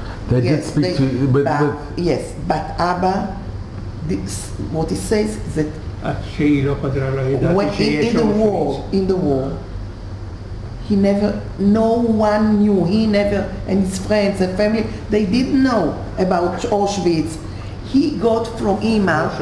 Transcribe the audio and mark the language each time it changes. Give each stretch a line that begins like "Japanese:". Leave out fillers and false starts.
English: They did speak to you, but... Yes, but Abba, this, what he says is that...
Hebrew: שהיא לא חזרה לא ידעתי שיש אושפיץ.
English: In the war, he never, no one knew, he never, and his friends and family, they didn't know about Auschwitz. He got from Ima.